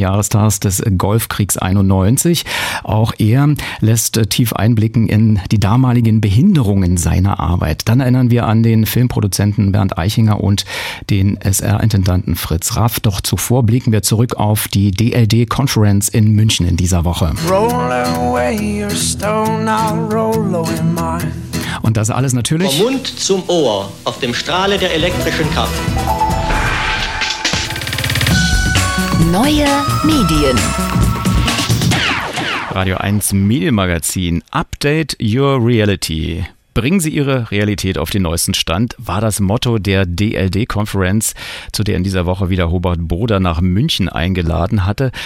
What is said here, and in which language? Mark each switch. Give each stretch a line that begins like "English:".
German: Jahrestags des Golfkriegs 91. Auch er lässt tief einblicken in die damaligen Behinderungen seiner Arbeit. Dann erinnern wir an den Filmproduzenten Bernd Eichinger und den SR-Intendanten Fritz Raff. Doch zuvor blicken wir zurück auf die DLD-Conference in München in dieser Woche.
English: Roll away your stone, I'll roll away mine.
German: Und das alles natürlich vom Mund zum Ohr auf dem Strahle der elektrischen Kraft. Neue Medien. Radio 1 Medienmagazin.
English: Update your reality.
German: Bringen Sie Ihre Realität auf den neuesten Stand, war das Motto der DLD-Konferenz, zu der in dieser Woche wieder Hubert Boder nach München eingeladen hatte.